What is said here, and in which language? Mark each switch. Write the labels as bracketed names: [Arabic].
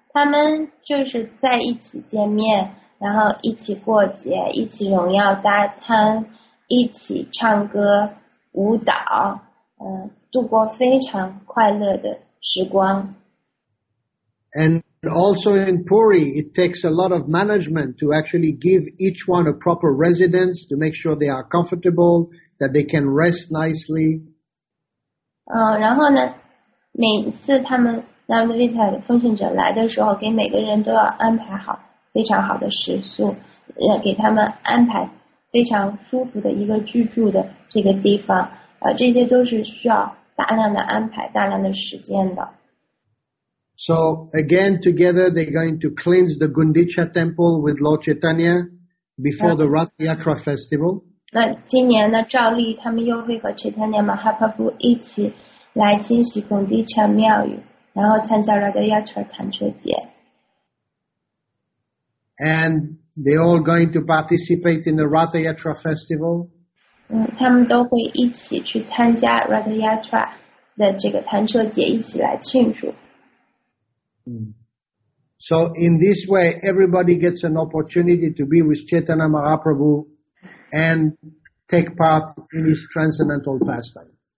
[Chinese] 他们就是在一起见面，然后一起过节，一起荣耀大餐，一起唱歌舞蹈，度过非常快乐的时光。 [English] And also in Puri, it takes a lot of management to actually give each one a proper residence to make sure they are comfortable, that they can rest nicely. [Chinese] 然后呢，每次他们那么 Vita 的奉献者来的时候，给每个人都要安排好非常好的食宿，给他们安排非常舒服的一个居住的这个地方，这些都是需要大量的安排，大量的时间的。 [English] So again, together they're going to cleanse the Gundicha temple with Lord Chaitanya before the Rath Yatra festival. [Chinese] 那今年呢，照例他们又会和 Chaitanya Mahaprabhu 一起来清洗 Gundicha 庙宇。然后参加了个亚特坦车节。 [English] And they're all going to participate in the Ratha Yatra festival. [Chinese] 他们都会一起去参加 Ratha Yatra 的这个坦车节，一起来庆祝。 [English] So in this way, everybody gets an opportunity to be with Chaitanya Mahaprabhu and take part in his transcendental pastimes.